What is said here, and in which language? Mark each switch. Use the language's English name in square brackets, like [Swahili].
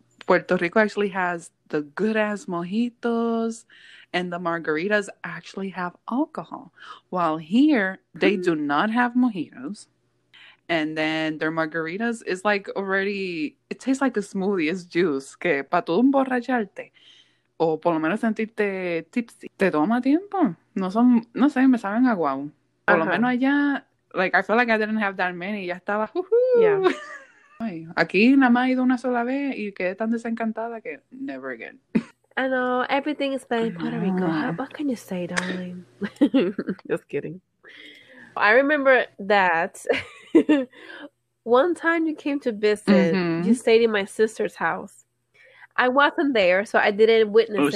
[English] Puerto Rico actually has the good-ass mojitos, and the margaritas actually have alcohol. While here, they do not have mojitos. And then their margaritas is like already, it tastes like a smoothie, it's juice. [Spanish] Que para tú emborracharte, o por lo menos sentirte tipsy, te toma tiempo. No sé, me saben a guau. Por lo menos allá, like, [English] I feel like I didn't have that many. [Spanish] Ya estaba, aquí nada más he ido una sola vez y quedé tan desencantada que [English] never again. I know, everything is bad in Puerto Rico. What can you say, darling? Just kidding. I remember that One time you came to visit, you stayed in my sister's house. I wasn't there, so I didn't witness